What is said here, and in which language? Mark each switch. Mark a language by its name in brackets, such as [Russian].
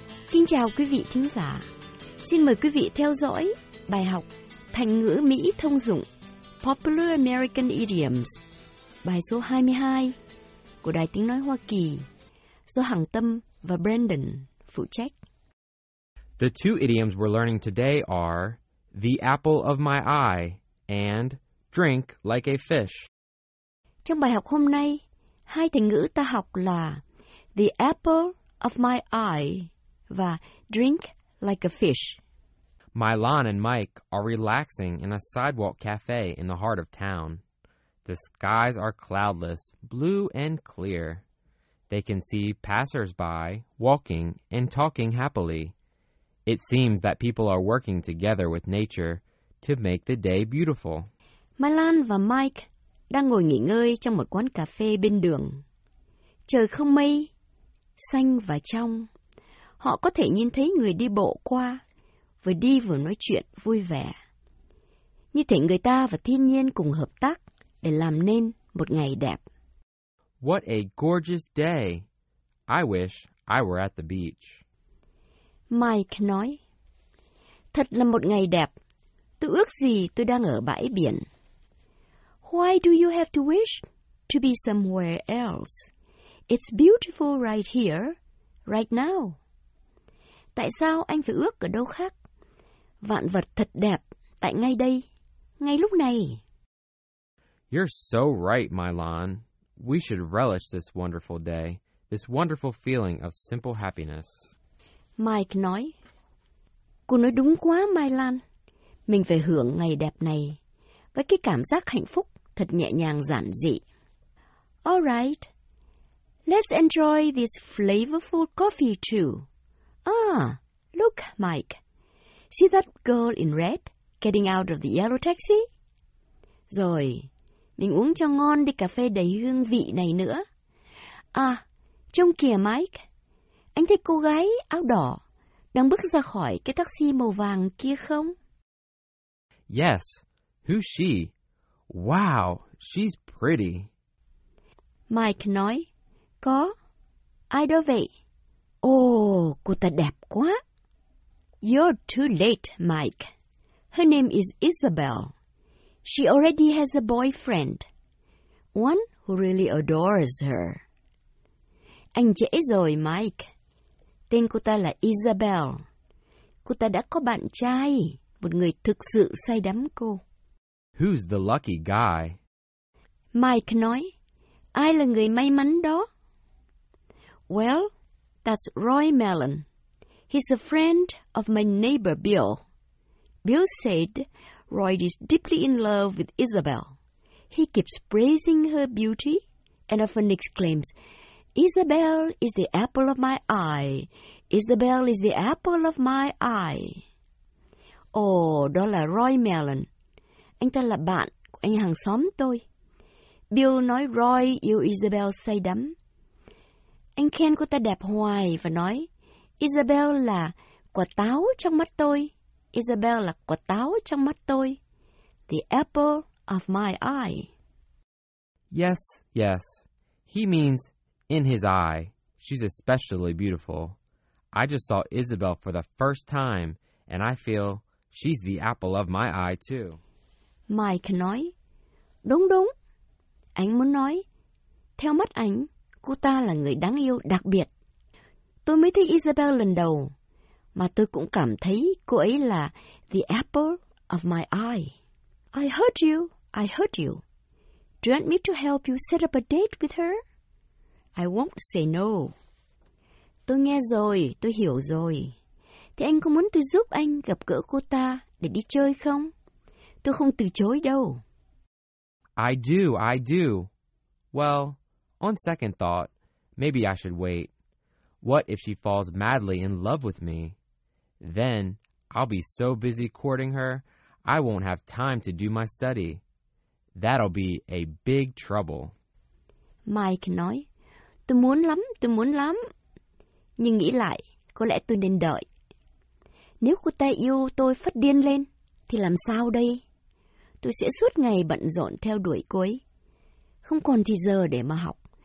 [Vietnamese] Kính chào quý vị thính giả. Xin mời quý vị theo dõi bài học Thành ngữ Mỹ thông dụng [English] Popular American Idioms, [Vietnamese] bài số 22 của Đài Tiếng Nói Hoa Kỳ, do Hằng Tâm và Brandon phụ trách. [English] The two idioms we're learning today are the apple of my eye and drink like a fish. [Vietnamese] Trong bài học hôm nay, hai thành ngữ ta học là [English] the apple of my eye [Vietnamese] và [English] drink like a fish. Milan and Mike are relaxing in a sidewalk cafe in the heart of town. The skies are cloudless, blue and clear. They can see passersby walking and talking happily. It seems that people are working together with nature to make the day beautiful. [Vietnamese] Milan và Mike đang ngồi nghỉ ngơi trong một quán cà phê bên đường. Trời không mây, xanh và trong. Họ có thể nhìn thấy người đi bộ qua, vừa đi vừa nói chuyện vui vẻ. Như thể người ta và thiên nhiên cùng hợp tác để làm nên một ngày đẹp. [English] What a gorgeous day! I wish I were at the beach. [Vietnamese] Mike nói, thật là một ngày đẹp. Tôi ước gì tôi đang ở bãi biển. [English] Why do you have to wish to be somewhere else? It's beautiful right here, right now. [Vietnamese] Tại sao anh phải ước ở đâu khác? Vạn vật thật đẹp tại ngay đây, ngay lúc này. [English] You're so right, Milan. We should relish this wonderful day, this wonderful feeling of simple happiness. [Vietnamese] Mike nói, cô nói đúng quá, Milan. Mình phải hưởng ngày đẹp này với cái cảm giác hạnh phúc thật nhẹ nhàng giản dị. [English] All right, let's enjoy this flavorful coffee too. Ah, look, Mike. See that girl in red getting out of the yellow taxi? [Vietnamese] Rồi, mình uống cho ngon đi cà phê đầy hương vị này nữa. À, trông kìa, Mike. Anh thấy cô gái áo đỏ đang bước ra khỏi cái taxi màu vàng kia không? [English] Yes, who's she? Wow, she's pretty. [Vietnamese] Mike nói, có, ai đó vậy? Oh, cô ta đẹp quá. [English] You're too late, Mike. Her name is Isabel. She already has a boyfriend. One who really adores her. [Vietnamese] Anh trễ rồi, Mike. Tên cô ta là Isabel. Cô ta đã có bạn trai, một người thực sự say đắm cô. [English] Who's the lucky guy? [Vietnamese] Mike nói, ai là người may mắn đó? [English] Well, that's Roy Mellon. He's a friend of my neighbor Bill. Bill said Roy is deeply in love with Isabel. He keeps praising her beauty and often exclaims, Isabel is the apple of my eye. Isabel is the apple of my eye. [Vietnamese] Oh, đó là Roy Mellon. Anh ta là bạn của anh hàng xóm tôi. Bill nói Roy yêu Isabel say đắm. Anh khen cô ta đẹp hoài và nói, Isabel là quả táo trong mắt tôi. Isabel là quả táo trong mắt tôi. [English] The apple of my eye. Yes, yes. He means, in his eye, she's especially beautiful. I just saw Isabel for the first time, and I feel she's the apple of my eye, too. [Vietnamese] Mike nói, đúng đúng. Anh muốn nói, theo mắt anh, cô ta là người đáng yêu đặc biệt. Tôi mới thấy Isabel lần đầu, mà tôi cũng cảm thấy cô ấy là [English] the apple of my eye. I heard you. I heard you. Do you want me to help you set up a date with her? I won't say no. [Vietnamese] Tôi nghe rồi. Tôi hiểu rồi. Thế anh có muốn tôi giúp anh gặp gỡ cô ta để đi chơi không? Tôi không từ chối đâu. [English] I do. I do. Well, on second thought, maybe I should wait. What if she falls madly in love with me? Then I'll be so busy courting her, I won't have time to do my study. That'll be a big trouble. [Vietnamese] Mike nói, tôi muốn lắm, nhưng nghĩ lại, có lẽ tôi nên đợi. Nếu cô ta yêu tôi phát điên lên, thì làm sao đây? Tôi sẽ suốt ngày bận rộn theo đuổi cô ấy, không còn thì giờ để mà học.